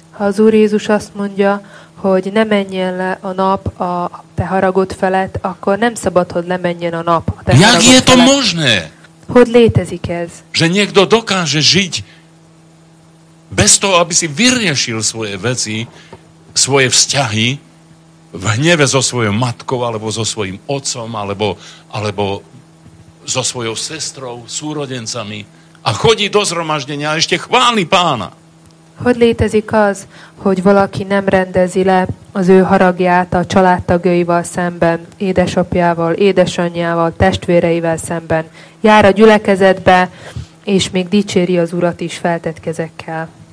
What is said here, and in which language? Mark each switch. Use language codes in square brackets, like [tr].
[hu] Ha az Úr Jézus azt mondja, hogy ne menjen le a nap a te haragod felett, akkor nem szabad, hogy lemenjen a nap a te haragod felett. [sk] Jak je to možné? [hu] Hogy létezik ez? [sk] Že niekto dokáže žiť bez toho, aby si vyriešil svoje veci, svoje vzťahy v hneve so svojou matkou, alebo so svojím otcom, alebo so svojou sestrou, súrodencami a chodí do zhromaždenia a ešte chváli Pána. [hu] Hogy létezik az, hogy valaki nem rendezi le az ő haragját a családtagjaival szemben, édesapjával, édesanyjával, testvéreivel szemben, jár a gyülekezetbe, és még dicséri az Urat is feltetkezekkel.